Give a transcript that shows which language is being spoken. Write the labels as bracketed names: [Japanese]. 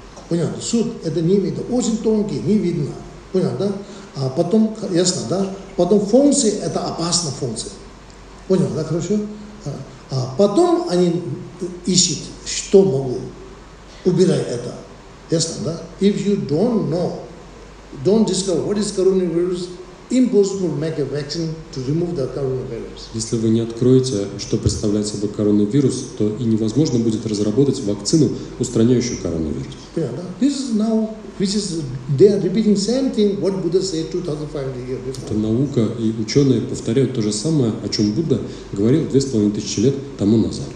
[Russian] Понятно, суд это не видно, очень тонкий, не видно, понятно, да? А потом, ясно, да? Потом функция это опасная функция, понятно, да, хорошо? А потом они ищут, что могут убирать это, ясно, да? [English] If you don't know, don't discover what is coronavirus, impossible to make a vaccine to remove the coronavirus. [Russian] Если вы не откроете, что представляет собой коронавирус, то и невозможно будет разработать вакцину, устраняющую коронавирус. Yeah, да? [English] This is now, which is, they are repeating same thing, what Buddha said 2500 years before. [Russian] Это наука, и ученые повторяют то же самое, о чем Будда говорил 2500 лет тому назад.